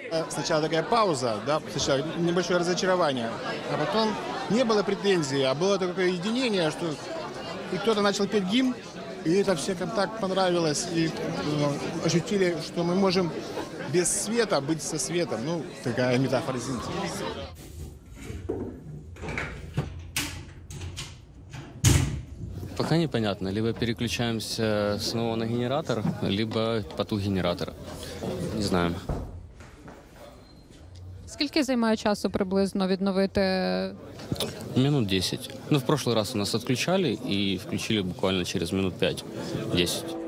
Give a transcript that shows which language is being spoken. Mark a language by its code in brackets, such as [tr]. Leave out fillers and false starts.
[ru] сначала такая пауза, да, сначала небольшое разочарование, а потом не было претензий, а было такое единение, что и кто-то начал петь гимн, и это всем так понравилось, и ощутили, что мы можем без света быть со светом. Ну, такая метафора, извините. Пока непонятно. Либо переключаемся снова на генератор, либо потух генератора. Не знаю. [uk] Скільки займає часу приблизно відновити? [ru] Минут 10. Ну, в прошлый раз у нас отключали и включили буквально через минут 5-10.